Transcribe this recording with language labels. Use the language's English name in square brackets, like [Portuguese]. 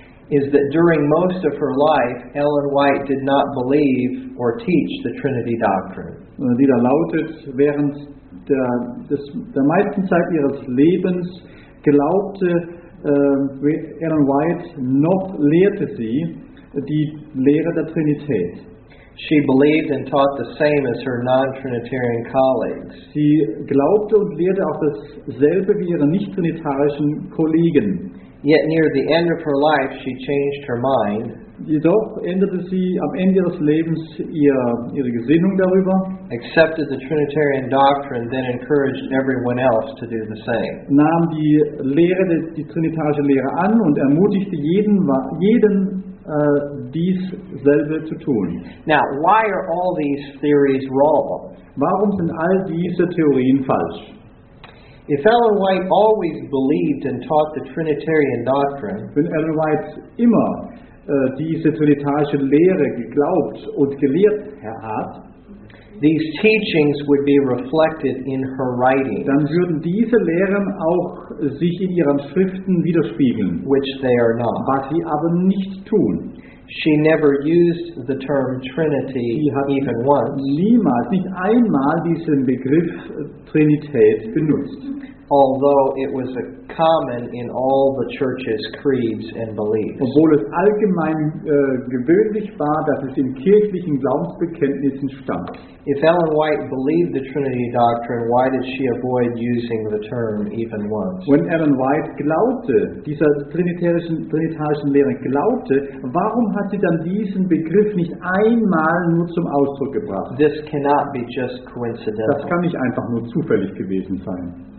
[English] is that during most of her life, Ellen White did not believe or teach the Trinity doctrine. [German] Die da lautet, während der meisten Zeit ihres Lebens glaubte Ellen White noch lehrte sie die Lehre der Trinität. [English] She believed and taught the same as her non-Trinitarian colleagues. [German] Sie glaubte und lehrte auch dasselbe wie ihre nicht-trinitarischen Kollegen. [English] Yet near the end of her life, she changed her mind. [German] Jedoch änderte sie am Ende ihres Lebens ihre Gesinnung darüber. [English] Accepted the Trinitarian doctrine, then encouraged everyone else to do the same. [German] Nahm die trinitarische Lehre an und ermutigte jeden dieselbe zu tun. [English] Now, why are all these theories wrong? [German] Warum sind all diese Theorien falsch? [English] If Ellen White always believed and taught the Trinitarian doctrine, [German] wenn Ellen White immer diese trinitarische Lehre geglaubt und gelehrt hat, [English] these teachings would be reflected in her writings, [German] dann würden diese Lehren auch sich in ihren Schriften widerspiegeln, [English] which they are not. [German] Was sie aber nicht tun. [English] She never used the term Trinity even once. [German] Niemals, nicht einmal diesen Begriff Trinität benutzt. [English] Although it was a common in all the churches' creeds and beliefs. [German] Obwohl es allgemein gewöhnlich war, dass es in kirchlichen Glaubensbekenntnissen stand. [English] If Ellen White believed the Trinity doctrine, why did she avoid using the term even once? [German] Wenn Ellen White glaubte, dieser trinitarischen Lehre glaubte, warum hat sie dann diesen Begriff nicht einmal nur zum Ausdruck gebracht? [English] This cannot be just coincidental. [German] Das kann nicht einfach nur zufällig gewesen sein.